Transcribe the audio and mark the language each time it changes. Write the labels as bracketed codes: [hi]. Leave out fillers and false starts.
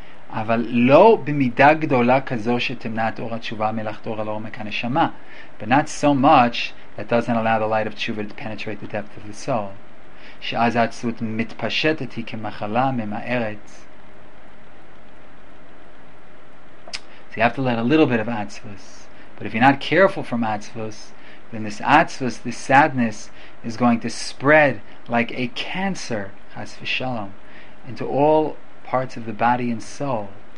[he] אבל לא במידה גדולה כזו שתמנע את אור התשובה מלחתור על עומק הנשמה. [en] But not so much that doesn't allow the light of tshuva to penetrate the depth of the soul. [he] שאז העצות מתפשטת היא כמחלה ממערת. [en] So you have to let a little bit of atzvus. But if you're not careful from atzvus, then this atzvus, this sadness, is going to spread like a cancer, chas v'shalom, into all parts of the body and soul.